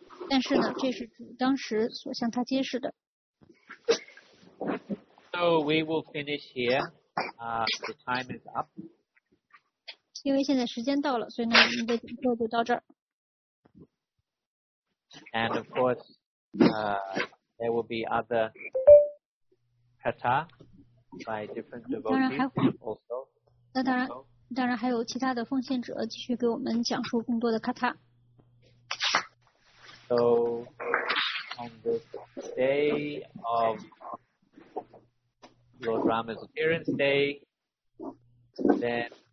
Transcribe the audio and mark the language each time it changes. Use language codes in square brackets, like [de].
[zh] 但是呢，这是主当时所向他揭示的。 [en] So we will finish here. The time is up. [zh] 因为现在时间到了，所以呢，你的讲座就到这儿。 [en] And of course, there will be other katha by different devotees also. [zh] 那当然还有其他的奉献者继续给我们讲述更多的 katha。 [en] So on the day of Lord Rama's appearance day, then.